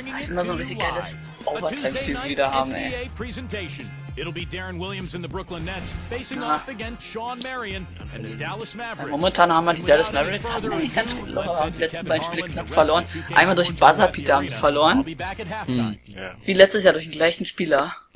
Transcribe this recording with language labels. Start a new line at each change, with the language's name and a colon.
German: Immer so ein bisschen geiles Overtime-Spiel wieder haben, ey.
English: It'll be Darren Williams in the Brooklyn Nets facing off against Sean Marion and the Dallas Mavericks.
German: Momentan haben wir die Dallas Mavericks haben wir ganz gut locker am letzten beiden Spiele knapp verloren. Einmal durch Buzzer Beater haben sie verloren. Wie letztes Jahr durch den gleichen Spieler.